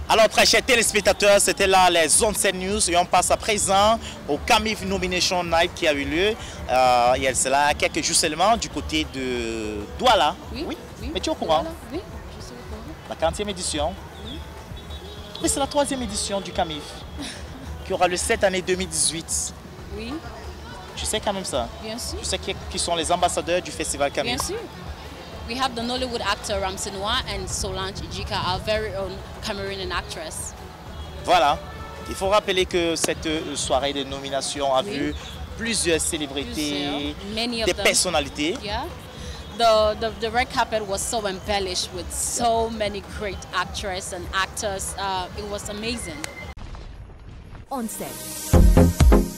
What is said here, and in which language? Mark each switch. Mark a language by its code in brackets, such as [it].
[fr] Alors très chers téléspectateurs, c'était là les Onsen News et on passe à présent au Camif Nomination Night qui a eu lieu il y a cela quelques jours seulement du côté de Douala. Oui. Mais tu es au courant? Oui, je suis au courant. La 40e édition. Oui. Mais c'est la 3e édition du Camif qui aura lieu cette année 2018. Oui. Tu sais quand même ça? Bien sûr. Tu sais qui sont les ambassadeurs du Festival Camif? Bien sûr. [en] We have the Nollywood actor Ramsey Noir and Solange Ejika, our very own Cameroonian actress. [fr] Voilà. Il faut rappeler que cette soirée de nomination a vu plusieurs célébrités, des personnalités. [en] The red carpet was so embellished with so many great actresses and actors. It was amazing. On set.